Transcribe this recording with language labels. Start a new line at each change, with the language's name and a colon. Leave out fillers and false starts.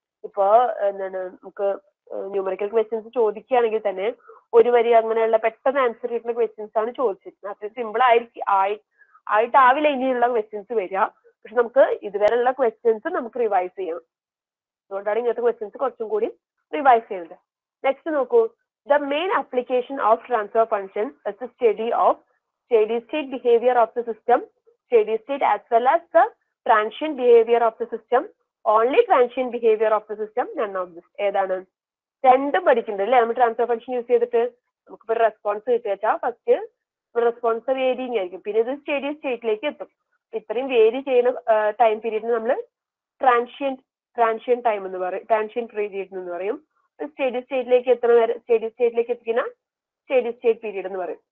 Malayalam: ഇപ്പോ എന്താണ്, നമുക്ക് ന്യൂമറിക്കൽ ക്വസ്റ്റ്യൻസ് ചോദിക്കുകയാണെങ്കിൽ തന്നെ ഒരു വരി അങ്ങനെയുള്ള പെട്ടെന്ന് ആൻസർ കിട്ടുന്ന ക്വസ്റ്റ്യൻസ് ആണ് ചോദിച്ചിരുന്നത്. അത്ര സിമ്പിൾ ആയിട്ടാവില്ല ഇനിയുള്ള ക്വസ്റ്റ്യൻസ് വരിക. പക്ഷെ നമുക്ക് ഇതുവരെ ഉള്ള ക്വസ്റ്റ്യൻസ് നമുക്ക് റിവൈസ് ചെയ്യാം. അതുകൊണ്ടാണ് ഇങ്ങനത്തെ ക്വസ്റ്റ്യൻസ് കുറച്ചും കൂടി റിവൈസ് ചെയ്യുന്നത്. നെക്സ്റ്റ് നോക്കൂ.
English: The main application of transfer function is the study of steady state behavior of the system, steady state as well as the transient behavior of the system. Only transient behavior of the system, none of this.
Malayalam: ഏതാണ് രണ്ടും പഠിക്കുന്നത് അല്ലേ? നമ്മൾ transfer function use ചെയ്തിട്ട് നമുക്ക് ഇപ്പൊ response കിട്ടിയാൽ first response varying ആയിരിക്കും, പിന്നെ ഇത് സ്റ്റേഡി സ്റ്റേറ്റിലേക്ക് എത്തും. ഇത്രയും വേരി ചെയ്യുന്ന ടൈം പീരീഡിന് നമ്മൾ ട്രാൻഷ്യന്റ് ടൈം എന്ന് പറയും, ട്രാൻഷ്യന്റ് പീരീഡ് എന്ന് പറയും. സ്റ്റേഡി സ്റ്റേറ്റിലേക്ക് എത്തുന്ന വരെ, സ്റ്റേഡി സ്റ്റേറ്റിലേക്ക് എത്തിക്കുന്ന സ്റ്റേഡി സ്റ്റേറ്റ് പീരീഡ് എന്ന് പറയും.